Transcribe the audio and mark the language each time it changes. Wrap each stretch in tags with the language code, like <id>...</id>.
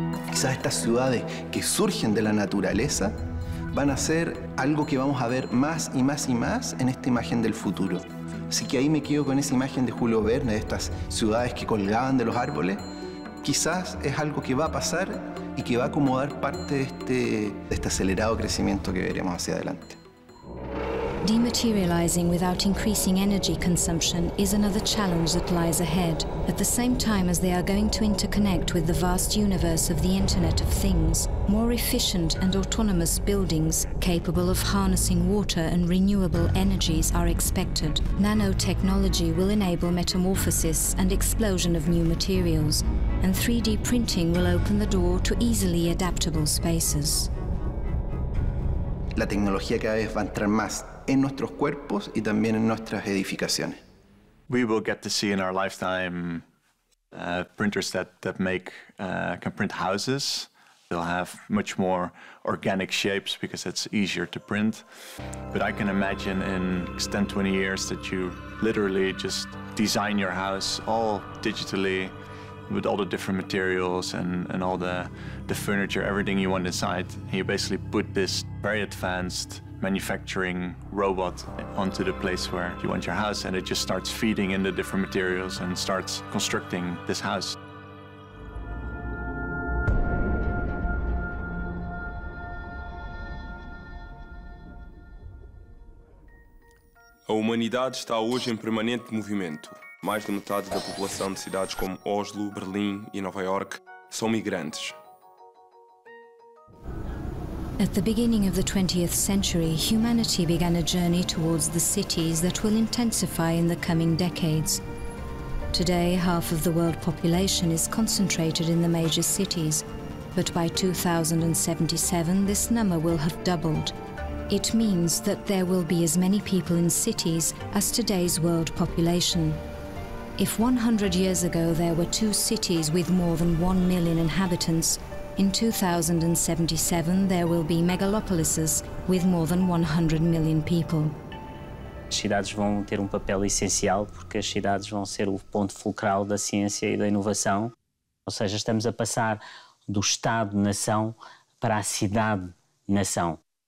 <es>Quizás estas ciudades que surgen de la naturaleza van a ser algo que vamos a ver más y más y más en esta imagen del futuro. Así que ahí me quedo con esa imagen de Julio Verne, de estas ciudades que colgaban de los árboles. Quizás es algo que va a pasar y que va a acomodar parte de este acelerado crecimiento que veremos hacia adelante.</es> <en>Dematerializing without increasing energy consumption is another challenge that lies ahead, at the same time as they are going to interconnect with the vast universe of the Internet of Things, more efficient and autonomous buildings capable of harnessing water and renewable energies are expected. Nanotechnology will enable metamorphosis and explosion of new materials, and 3D printing will open the door to easily adaptable spaces.</en> <es>La tecnología cada vez va a entrar más en nuestros cuerpos y también en nuestras edificaciones.</es> <en>We will get to see in our lifetime printers that make can print houses. They'll have much more organic shapes because it's easier to print. But I can imagine in 10, 20 years that you literally just design your house all digitally with all the different materials and all the furniture, everything you want inside. And you basically put this very advanced manufacturing robot onto the place where you want your house, and it just starts feeding in the different materials and starts constructing this house.</en> <pt>A humanidade está hoje em permanente movimento. Mais de metade da população de cidades como Oslo, Berlim e Nova York são migrantes.</pt> <en>At the beginning of the 20th century, humanity began a journey towards the cities that will intensify in the coming decades. Today, half of the world population is concentrated in the major cities, but by 2077, this number will have doubled. It means that there will be as many people in cities as today's world population. If 100 years ago there were two cities with more than 1 million inhabitants, in 2077, there will be megalopolises with more than 100 million people.</en> <pt>As cidades vão ter papel essencial porque as cidades vão ser o ponto fulcral da ciência e da inovação. Ou seja, estamos a passar do estado-nação para a cidade-nação.</pt>